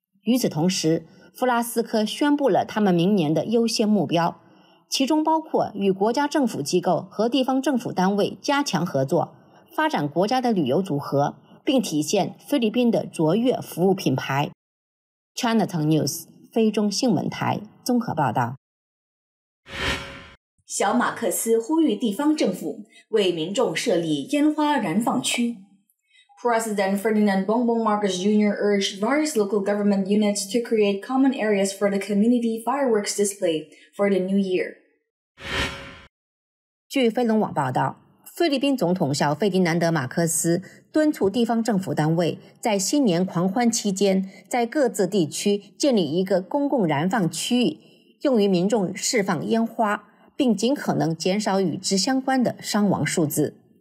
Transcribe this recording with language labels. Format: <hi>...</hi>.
<zh>与此同时，弗拉斯科宣布了他们明年的优先目标，其中包括与国家政府机构和地方政府单位加强合作，发展国家的旅游组合，并体现菲律宾的卓越服务品牌。 Cntv News 菲中新闻台综合报道。小马克思呼吁地方政府为民众设立烟花燃放区。</zh> <en>President Ferdinand Bongbong Marcos Jr. urged various local government units to create common areas for the community fireworks display for the new year.</en> <zh>据飞龙网报道，菲律宾总统小费迪南德·马克思敦促地方政府单位在新年狂欢期间，在各自地区建立一个公共燃放区域，用于民众释放烟花，并尽可能减少与之相关的伤亡数字。</zh>